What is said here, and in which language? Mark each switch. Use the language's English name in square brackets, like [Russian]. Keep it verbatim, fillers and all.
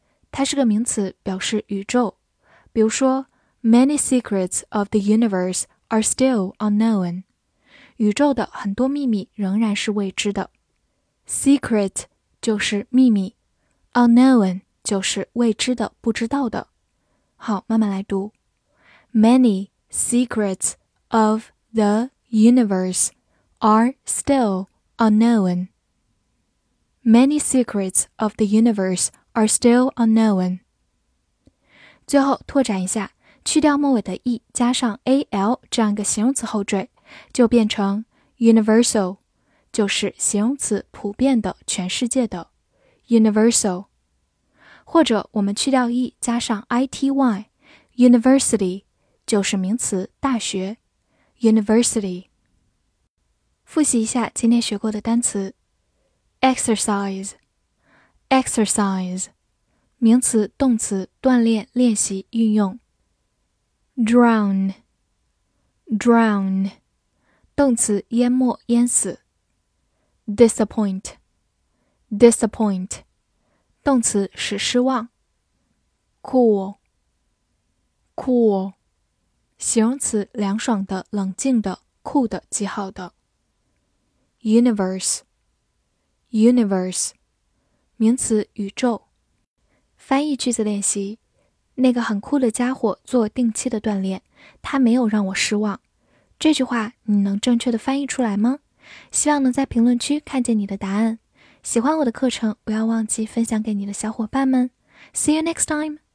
[Chinese] 它是个名词，表示宇宙。 [English] 比如说Many secrets of the universe are still unknown. [Chinese] 宇宙的很多秘密仍然是未知的。Secret 就是秘密 ，unknown 就是未知的、不知道的。好，慢慢来读。 [English] Many secrets of the universe are still unknown. Many secrets of the universe are still unknown. [Chinese] 最后拓展一下。去掉末尾的 e 加上 al 这样一个形容词后缀，就变成 universal， 就是形容词普遍的、全世界的 universal。或者我们去掉 e 加上 ity， university 就是名词大学 university。复习一下今天学过的单词。exercise exercise 名词动词锻炼、练习、运用。 drown, drown, 动词淹没、淹死。 disappoint, disappoint, 动词使失望。 cool, cool, 形容词凉爽的、冷静的、酷的、极好的。 universe, universe, 名词宇宙。翻译句子练习。那个很酷的家伙做定期的锻炼，他没有让我失望。这句话你能正确的翻译出来吗？希望能在评论区看见你的答案。喜欢我的课程，不要忘记分享给你的小伙伴们。 [English] See you next time!